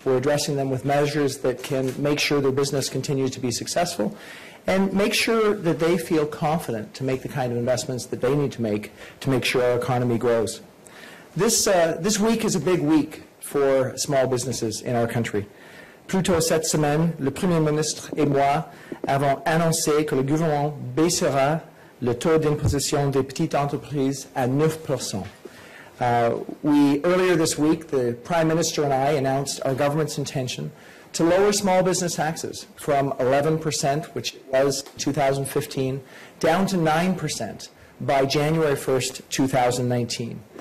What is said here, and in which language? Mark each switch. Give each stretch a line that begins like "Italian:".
English: We're addressing them with measures that can make sure their business continues to be successful and make sure that they feel confident to make the kind of investments that they need to make sure our economy grows. This week is a big week for small businesses in our country.
French: Plutôt cette semaine, le Premier ministre et moi avons annoncé que le gouvernement baissera le taux d'imposition des petites entreprises à 9%.
English: Earlier this week, the Prime Minister and I announced our government's intention to lower small business taxes from 11%, which it was 2015, down to 9% by January 1st, 2019.